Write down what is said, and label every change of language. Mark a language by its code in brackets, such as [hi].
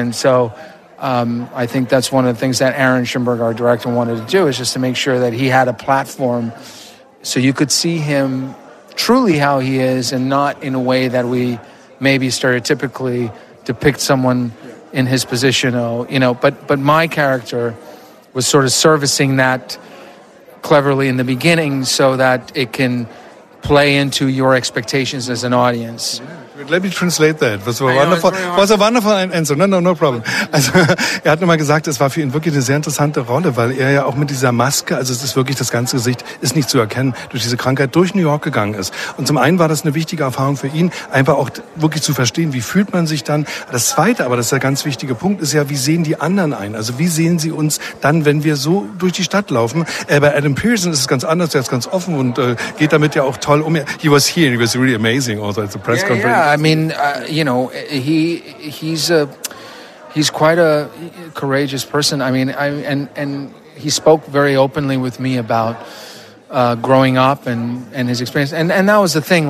[en] And so I think that's one of the things that Aaron Schimberg, our director, wanted to do, is just to make sure that he had a platform so you could see him truly how he is, and not in a way that we maybe stereotypically depict someone in his position. Oh, you know, but my character was sort of servicing that cleverly in the beginning, so that it can play into your expectations as an audience. Let me translate that. Was a wonderful answer. No problem. [de] Also, er hat nochmal gesagt, es war für ihn wirklich eine sehr interessante Rolle, weil er ja auch mit dieser Maske, also es ist wirklich, das ganze Gesicht ist nicht zu erkennen, durch diese Krankheit durch New York gegangen ist. Und zum einen war das eine wichtige Erfahrung für ihn, einfach auch wirklich zu verstehen, wie fühlt man sich dann. Das zweite, aber das ist der ganz wichtige Punkt, ist ja, wie sehen die anderen ein? Also wie sehen sie uns dann, wenn wir so durch die Stadt laufen? Bei Adam Pearson ist es ganz anders, er ist ganz offen und geht damit ja auch toll um. [en] He was here, he was really amazing also at the press conference. Yeah. I mean, you know, he's quite a courageous person. I mean, and he spoke very openly with me about growing up and his experience. And that was the thing.